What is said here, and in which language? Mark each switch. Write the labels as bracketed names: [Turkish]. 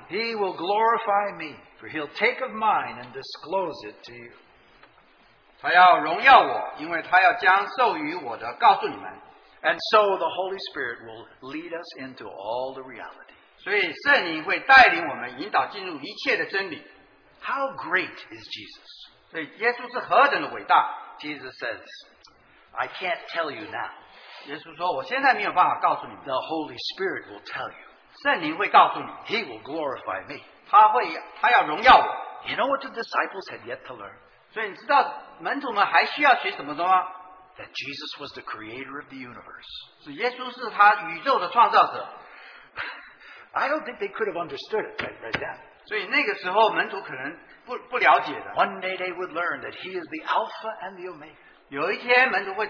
[English] He will glorify me, for he'll take of mine and disclose it to you. [Chinese] 他要荣耀我,因为他要将授予我的告诉你们。 [English] And so the Holy Spirit will lead us into all the reality. [Chinese] 所以圣灵会带领我们引导进入一切的真理。 [English] How great is Jesus? [Chinese] 所以耶稣是何等的伟大? [English] Jesus says, I can't tell you now. [Chinese] 耶稣说,我现在没有办法告诉你们。 [English] The Holy Spirit will tell you. [Chinese] 圣灵会告诉你, [English] He will glorify me. [Chinese] 他要荣耀我。 [English] You know what the disciples had yet to learn? [Chinese] 所以你知道门徒们还需要学什么吗? [English] That Jesus was the creator of the universe. [Chinese] 是耶稣是他宇宙的创造者。 [English] I don't think they could have understood it right then. [Chinese] 所以那个时候门徒可能不了解的。 [English] One day they would learn that he is the Alpha and the Omega.